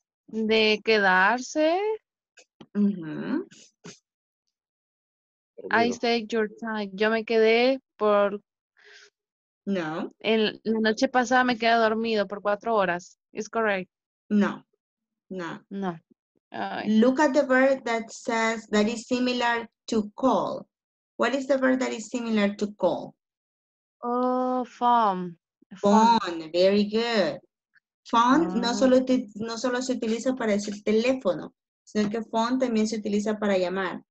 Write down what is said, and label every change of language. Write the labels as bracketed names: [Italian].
[Spanish] De quedarse. Mm-hmm. [English] I stay your time. [Spanish] Yo me quedé por... No. En la noche pasada me quedé dormido por 4 horas. [English] Is correct? [Spanish] No. No. No. [English] Look at the verb that says, that is similar to call. What is the verb that is similar to call? Oh, phone. Phone, very good. [Spanish] Phone no solo se utiliza para decir teléfono, sino que phone también se utiliza para llamar.